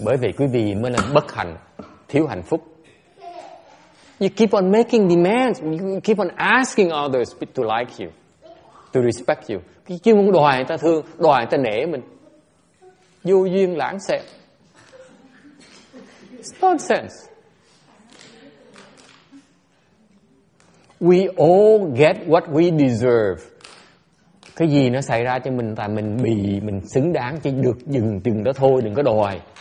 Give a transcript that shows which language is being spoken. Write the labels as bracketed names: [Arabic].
[Vietnamese] Bởi vì quý vị mới là bất hạnh, thiếu hạnh phúc. [English] You keep on making demands. You keep on asking others to like you, to respect you. [Vietnamese] Chứ muốn đòi người ta thương, đòi người ta nể mình. Vô duyên lãng xẹt. [English] It's nonsense. We all get what we deserve. [Vietnamese] Cái gì nó xảy ra cho mình tại mình xứng đáng chứ được dừng đó thôi, đừng có đòi.